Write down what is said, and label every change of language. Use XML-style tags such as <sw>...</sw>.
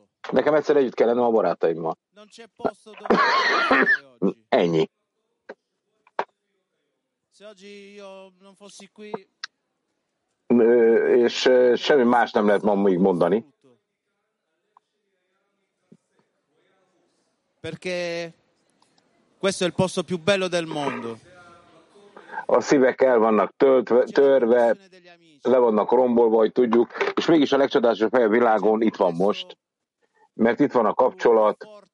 <hu>Nekem egyszer együtt kellene a barátaimmal.</hu> <it>Non c'è posto dove</it> <hu>Ennyi.</hu> <it>Se oggi io non fossi qui</it> <hu>és semmi más nem lehet ma még mondani.</hu> <it>Perché questo è il posto più bello del mondo.</it> <hu>A szívek el vannak töltve, törve, le vannak rombolva, hogy tudjuk, és mégis a legcsodásabb hely a világon itt van most, mert itt van a kapcsolat.</hu>